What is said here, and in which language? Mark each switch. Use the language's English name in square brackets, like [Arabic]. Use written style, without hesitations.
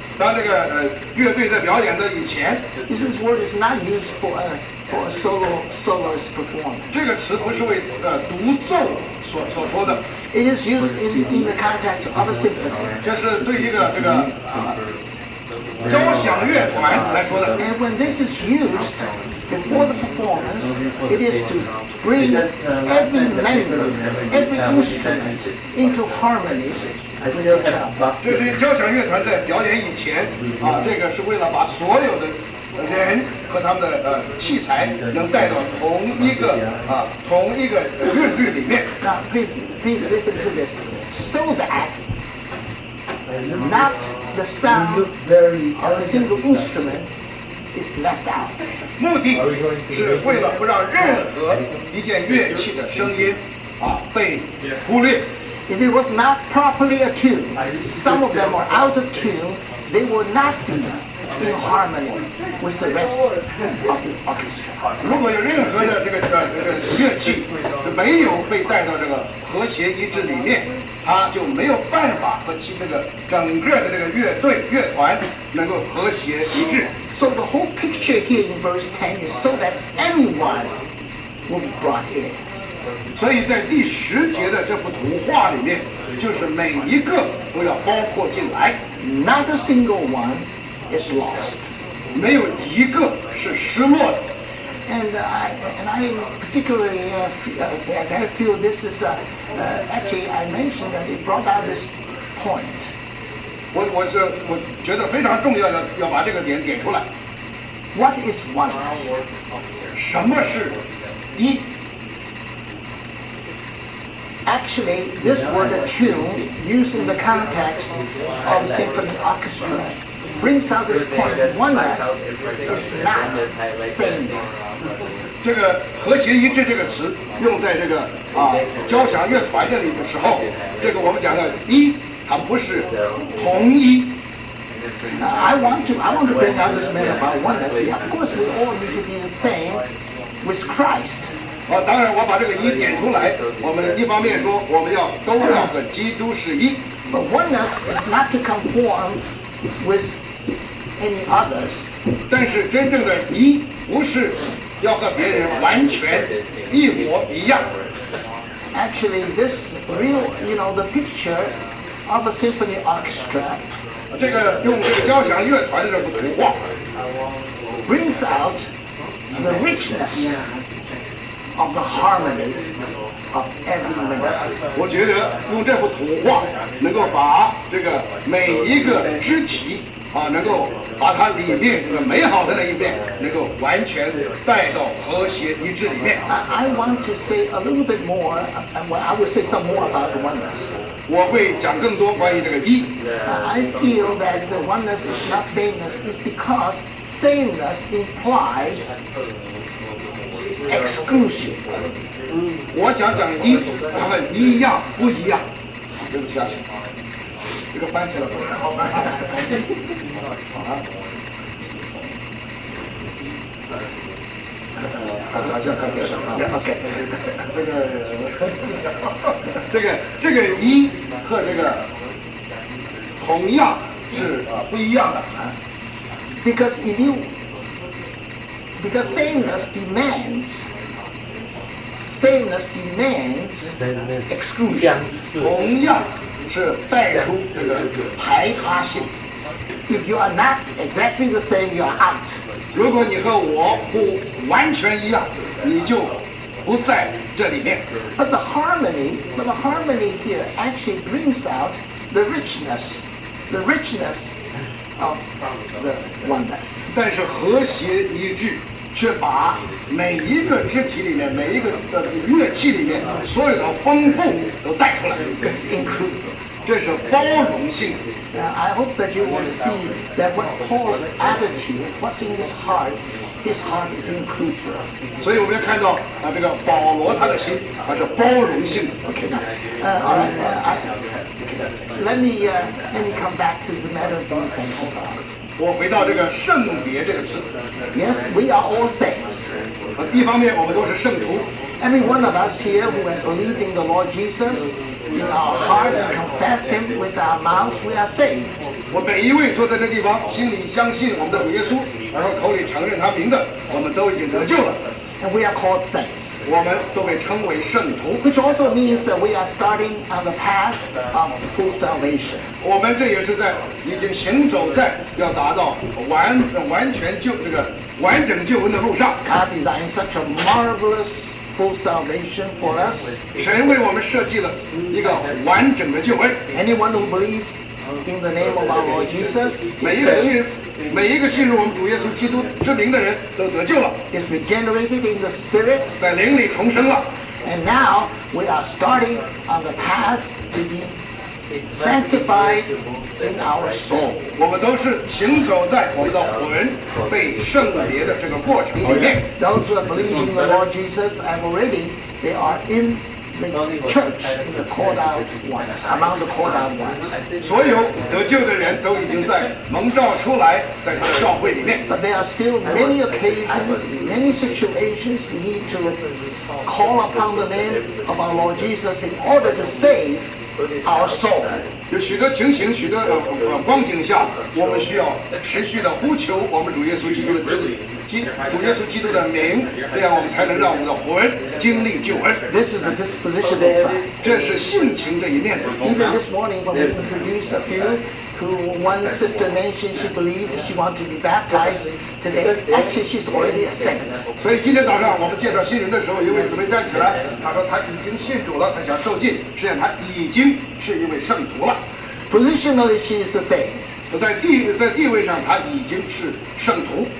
[Chinese] 当这个乐队在表演的以前 [English] This word is not used for a soloist performance. [Chinese] 这个词不是为独奏所说的 [English] It is used in the context of a symphony. [Chinese] 这是对一个这个交响乐团来说的 [English] And when this is used before the performance, it is to bring every member, every instrument into harmony. [Chinese] 就是交响乐团在表演以前啊，这个是为了把所有的人和他们的器材能带到同一个啊同一个韵律里面。 [English] Now please listen to this, so that not the sound of a single instrument is left out. [Chinese] 目的是为了不让任何一件乐器的声音啊被忽略。 [English] If it was not properly attuned, some of them were out of tune, they would not be in harmony with the rest of the orchestra. [Chinese] 如果有任何的这个乐器是没有被带到这个和谐一致里面，它就没有办法和其这个整个的这个乐队乐团能够和谐一致。 [English] So the whole picture here in verse 10 is so that anyone will be brought in. [Chinese] 所以在第十节的这幅图画里面就是每一个都要包括进来 [English] Not a single one is lost [Chinese] 没有一个是失落的 [English] And I particularly as I feel this is actually I mentioned that it brought out this point [Chinese] 我觉得非常重要要把这个点点出来 [English] What is one? [Chinese] 什么是一 [English] Actually, this word attune, used in the context of the symphony orchestra, brings out this point oneness is not sameness. [Chinese] 这个和谐一致这个词用在这个啊交响乐团这里的时候，这个我们讲的一，它不是同一。 [English] I want to bring out this matter about oneness. Of course, we all need to be the same with Christ. [Chinese] 哦、当然我把这个一点出来我们一方面说我们要都要和基督是一 [English] But oneness is not to conform with any others [Chinese] 但是真正的一不是要和别人完全一模一样 [English] Actually this real you know the picture of a symphony orchestra [Chinese] 这个用这个交响乐团的这个图画 [English] brings out the richness of the harmony of every member. [Chinese] 我觉得用这幅图画能够把这个每一个肢体啊，能够把它里面这个美好的那一面能够完全带到和谐一致里面。 [English] I want to say a little bit more, and I will say some more about the oneness. [Chinese] 我会讲更多关于这个一。 [English] I feel that the oneness is not sameness, it's because sameness implies. Exclusive. [Chinese] 我想讲一，他们一样不一样。对不起啊，这个翻起来了。这个一和这个同样是不一样的。 [English] Because if you. Because sameness demands exclusion. [Chinese] 同样是带出这个排他性。 [English] if you are not exactly the same, you are out. [Chinese] 如果你和我不完全一样，你就不在这里面。 [English] But the harmony here actually brings out the richness of the oneness. [Chinese] 但是和谐一致却把每一个肢体里面每一个乐器里面所有的丰富都带出来。 [English] It's inclusive. [Chinese] 这是包容性。 [English] I hope that you will see that what Paul's attitude, what's in his heart is inclusive. [Chinese] 所以我们要看到啊，这个保罗他的心，他是包容性的。 [English] Okay, now, let me come back to the matter of being sanctified. [Chinese] 我回到这个圣别这个词。 [English] Yes, we are all saints. [Chinese] 一方面我们都是圣徒。 [English] Every one of us here who has believed in the Lord Jesus. In our heart, we confess Him with our mouth, we are saved. [Chinese] 我每一位坐在这地方，心里相信我们的主耶稣，然后口里承认他名字，我们都已经得救了。 [English] And we are called saints. [Chinese] 我们都被称为圣徒。 [English] Which also means that we are starting on the path of full salvation. [Chinese] 我们这也是在已经行走在要达到完全救这个完整救恩的路上。 [English] God designed such a marvelous. Full salvation for us. [Chinese] 神为我们设计了一个完整的救恩。 [English] Anyone who believes in the name of our Lord Jesus, [Chinese] 每一个信入我们主耶稣基督之名的人都得救了。 [English] Is regenerated in the spirit. [Chinese] 在灵里重生了。 [English] And now we are starting on the path to be sanctified in our soul. [Chinese] 我们都是行走在我们的魂被圣别的这个过程里面。 [English] Those who are believing in the Lord Jesus have already, they are in the church, in the called out ones, among the called out ones. [Chinese] 所有得救的人都已经在蒙召出来，在他的教会里面。 [English] But there are still many occasions, many situations we need to call upon the name of our Lord Jesus in order to save. Our soul. [Chinese] 有许多情形，许多光景下，我们需要持续的呼求我们主耶稣基督的主耶稣基督的名，这样我们才能让我们的魂经历救恩。 [English] This is the dispositional side. [Chinese] 这是性情的一面。 [English] Even this morning, when we introduce a few, who one sister mentioned she believed she wanted to be baptized today. Actually, she's already a saint. [Chinese] 所以今天早上我们介绍新人的时候，一位姊妹站起来，她说她已经信主了，她想受浸，实际上她已经是一位圣徒了。 [English] Positionally, she is a saint. [Chinese] 在地位上他已经是圣徒。